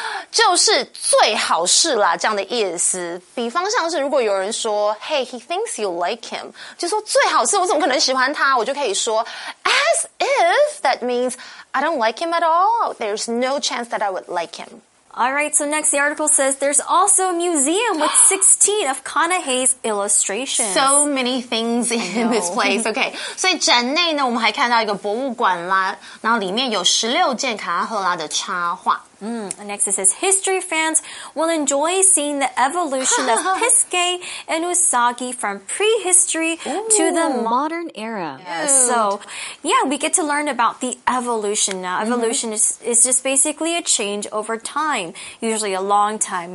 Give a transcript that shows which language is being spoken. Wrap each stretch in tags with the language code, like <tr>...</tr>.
<zh>就是最好是啦这样的意思比方像是如果有人说</zh> <en>Hey, he thinks you like him</en> <zh>就说最好是我怎么可能喜欢他我就可以说</zh> <en>As if that means I don't like him at all There's no chance that I would like him Alright, so next the article says there's also a museum with 16 of Conahay's illustrations. So many things in this place.</en> <zh>Okay, 所以展内呢，我们还看到一个博物馆啦，然后里面有16件卡拉赫拉的插画。</zh> <en>Next it says, history fans will enjoy seeing the evolution of Pisuke and Usagi from prehistory to the modern era. So, yeah, we get to learn about the evolution now. Evolution is just basically a change over time, usually a long time.</en>